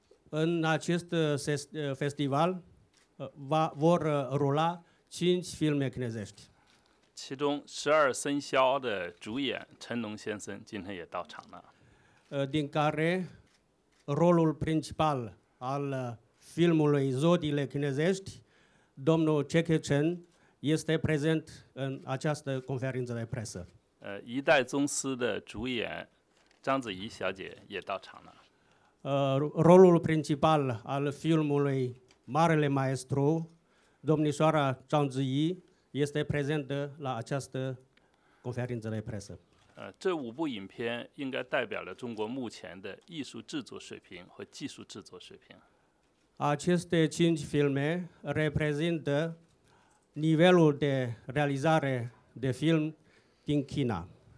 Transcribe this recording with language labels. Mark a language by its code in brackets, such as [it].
[ro] În acest festival vor rula 5 filme chinezești. [zh] 其中十二生肖的主演陈龙先生今天也到场了。 [ro] Din care rolul principal al filmului Zodiile chinezești, domnul Jackie Chan, este prezent în această conferință de presă. [zh] 一代宗师的主演章子怡小姐也到场了。 [ro] Rolul principal al filmului Marele Maestru, domnișoara Zhang Ziyi, este prezentă la această conferință de presă. [zh] 这五部影片应该代表了中国目前的艺术制作水平和技术制作水平。 [ro] Aceste 5 filme reprezintă nivelul de realizare de film din China.